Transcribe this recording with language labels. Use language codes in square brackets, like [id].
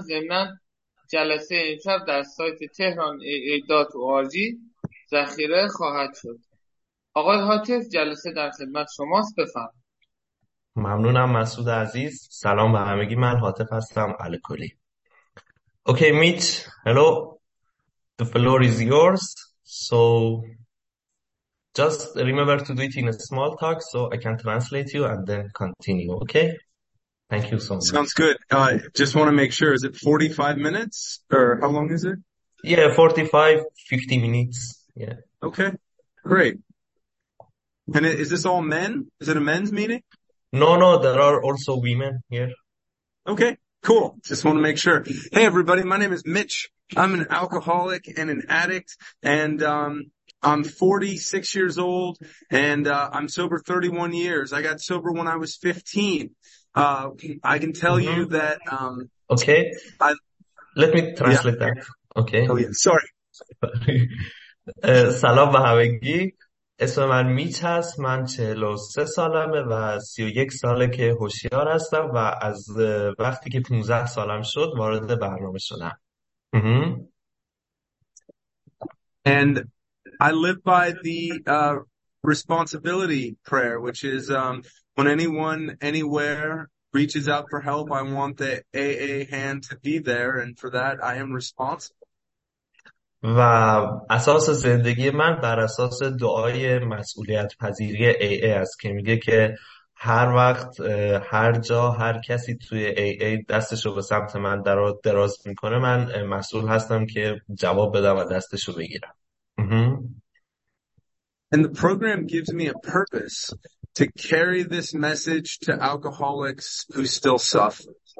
[fa] ضمناً جلسه امشب در سایت تهران aa.org ذخیره خواهد شد. آقای حاتف، جلسه در خدمت شماست، بفرمایید. ممنونم مسعود عزیز. سلام به همگی، من حاتف هستم الکلی. [en] Okay mate, hello, the floor is yours. So just remember to do it in a small talk so I can translate you and then continue. Okay, thank you so much. Sounds good. I just want to make sure, is it 45 minutes or how long is it? Yeah, 45, 50 minutes. Yeah. Okay, great. And is this all men? Is it a men's meeting? No, there are also women here. Okay, cool. Just want to make sure. Hey, everybody, my name is Mitch. I'm an alcoholic and an addict, and I'm 46 years old, and I'm sober 31 years. I got sober when I was 15. I can tell you that... Okay, let me translate that. Okay. Oh, yeah, sorry. [fa] Salam bahavegi. اسم من میچ هست، من 43 سالمه و 31 ساله که هوشیار هستم و از وقتی که 15 سالم شد وارد برنامه شدم. [en] And I live by the responsibility prayer, which is when anyone anywhere reaches out for help, I want the AA hand to be there, and for that I am responsible. [fa] و اساس زندگی من بر اساس دعای مسئولیت پذیری AA است که میگه که هر وقت هر جا هر کسی توی AA دستشو به سمت من دراز میکنه، من مسئول هستم که جواب بدم و دستشو بگیرم. [en] And the program gives me a purpose to carry this message to alcoholics who still suffer.